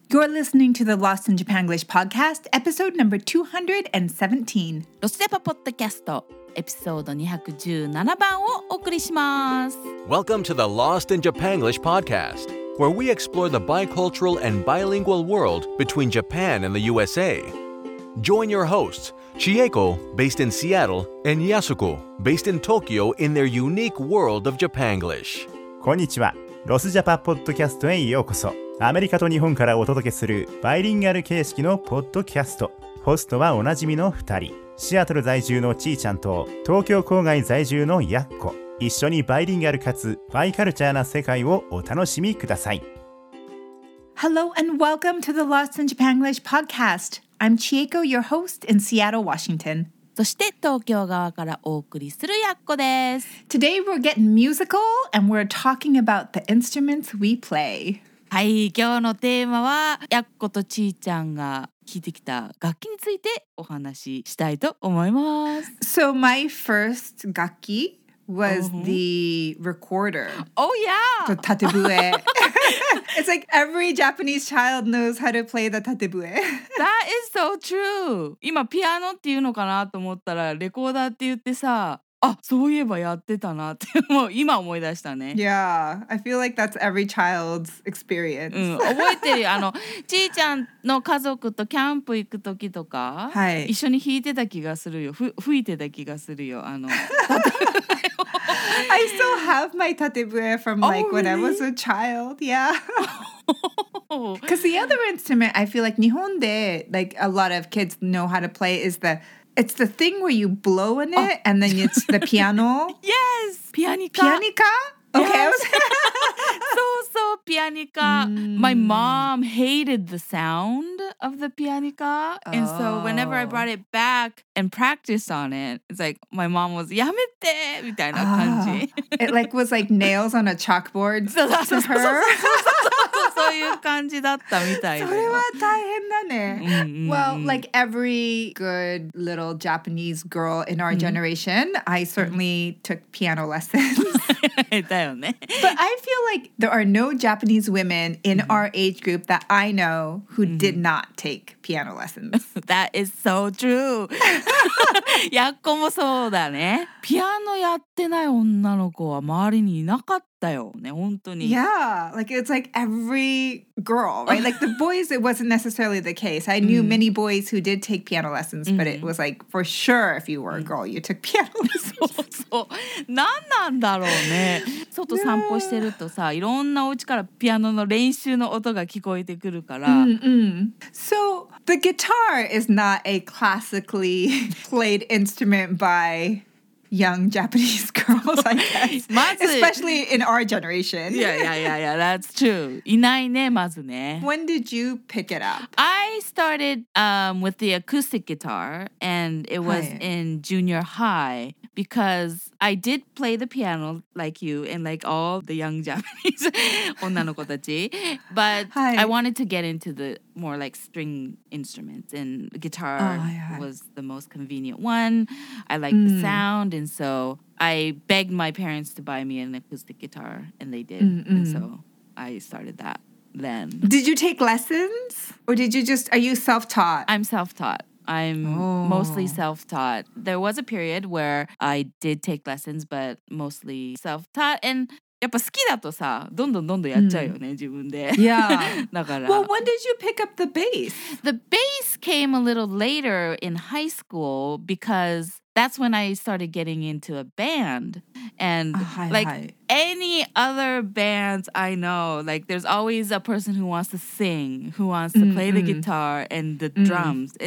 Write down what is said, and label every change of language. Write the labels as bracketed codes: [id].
[en] You're listening to the Lost in Japanglish podcast, episode number 217. [ja] ロスジャパポッドキャスト、エピソード217番をお送りします。 [en] Welcome to the Lost in Japanglish podcast, where we explore the bicultural and bilingual world between Japan and the USA. Join your hosts, Chieko, based in Seattle, and Yasuko, based in Tokyo, in their unique world of Japanglish. [ja] こんにちは。ロスジャパポッドキャストへようこそ。アメリカと日本からお届けするバイリンガル形式のポッドキャスト。ホストはおなじみの2人、シアトル在住のちーちゃんと東京郊外在住のやっこ。一緒にバイリンガルかつバイカルチャーな世界をお楽しみください。 [en] Hello and welcome to the Lost in Japanglish podcast. I'm Chieko, your host in Seattle, Washington. [ja] そして東京側からお送りするやっこです。 [en] Today we're getting musical and we're talking about the instruments we play [ja] はい、今日のテーマはやっことちーちゃんが弾いてきた楽器についてお話ししたいと思います。 [en] So my first 楽器 was the recorder. Oh yeah! The 縦笛。 It's like every Japanese child knows how to play the 縦笛。 That is so true! [ja] 今ピアノっていうのかなと思ったらレコーダーって言ってさ、あ、そういえばやってたなってもう今思い出したね。 [en] Yeah, I feel like that's every child's experience. [ja] 、うん、覚えてるよ、あのちーちゃんの家族とキャンプ行く時とか、はい、一緒に弾いてた気がするよ、吹いてた気がするよ、あの縦笛を。 [en] I still have my 縦笛 from like、oh, really? when I was a child, yeah. Because the other instrument, I feel like 日本で like a lot of kids know how to play is theIt's the thing where you blow in it、oh. and then it's the piano. Yes! Pianica. Pianica? Okay. Yes. So, so, pianica.、Mm. My mom hated the sound of the pianica.、Oh. And so whenever I brought it back and practiced on it, it's like my mom was, yamete! [ja] みたいな感じ。 [en] It like was like nails on a chalkboard to her. [ja] そうそうそうそう。そういう感じだったみたいで。それは大変だね。 [en] Well, like every good little Japanese girl in our generation, I certainly took piano lessons. [ja] だよね。 [en] But I feel like there are no Japanese women in our age group that I know who did not take piano lessons. That is so true. [ja] やっこもそうだね。ピアノやってない女の子は周りにいなかった。 [en] Yeah, like it's like every girl, right? Like the boys, it wasn't necessarily the case. I knew many boys who did take piano lessons, but it was like for sure if you were a girl, you took piano lessons. [ja] そうそう。なんなんだろうね。外散歩してるとさ、いろんなお家からピアノの練習の音が聞こえてくるから。 [en] So the guitar is not a classically played instrument by... Young Japanese girls, I guess. Especially in our generation. yeah, that's true. [ja] いないね、まずね。 [en] When did you pick it up? I started with the acoustic guitar, and it was in junior high, because I did play the piano like you and like all the young Japanese 女の子たち。 But I wanted to get into the more like string instruments, and guitar was the most convenient one. I like the sound. And so I begged my parents to buy me an acoustic guitar, and they did. And so I started that then. Did you take lessons? Or did you just, are you self-taught? I'm self-taught. I'm mostly self-taught. There was a period where I did take lessons, but mostly self-taught. [ja] And やっぱ好きだとさ、どんどんどんどんやっちゃうよね、自分で。 [en] Yeah. [ja] だから。 [en] Well, when did you pick up the bass? The bass came a little later in high school because... That's when I started getting into a band. And any other bands I know, like there's always a person who wants to sing, who wants to play the guitar and the drums.